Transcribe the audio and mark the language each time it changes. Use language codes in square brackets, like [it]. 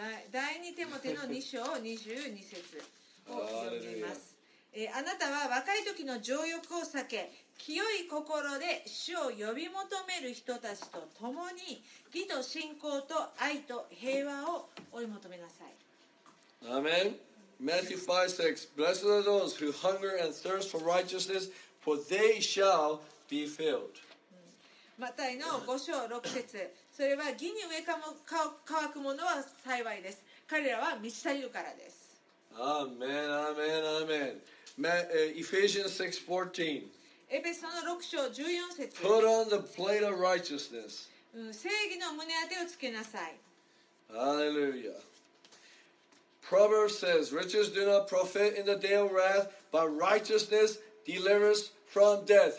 [ja] 第二テモテの2章22節を読みます。あなたは若い時の情欲を避け、清い心で主を呼び求める人たちと共に義と信仰と愛と平和を追い求めなさい。 [en] アーメン。Matthew 5:6. Blessed are those who hunger and thirst for righteousness, for they shall be filled. [ja] マタイの5章6節。それは義に飢く者は幸いです。彼らは満ち足りるからです。 [en] アーメン、アーメン、アーメン。Ephesians 6:14. [ja] エペソの6章14節。 [en] Put on the plate of righteousness. [ja] 正義の胸当てをつけなさい。 [en] Hallelujah. Proverbs says, riches do not profit in the day of wrath, but righteousness delivers from death.